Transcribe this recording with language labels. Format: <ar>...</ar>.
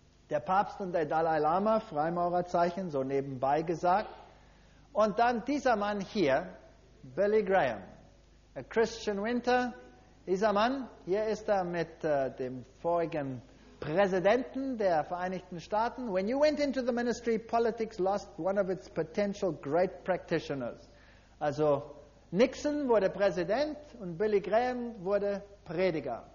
<de>Der Papst und der Dalai Lama, Freimaurerzeichen, so nebenbei gesagt. Und dann dieser Mann hier, Billy Graham,</de> <en>a Christian Winter.</en> <de>Dieser Mann, hier ist er mit dem vorigen Präsidenten der Vereinigten Staaten.</de> <en>When you went into the ministry, politics lost one of its potential great practitioners.</en> <de>Also Nixon wurde Präsident und Billy Graham wurde Prediger.</de>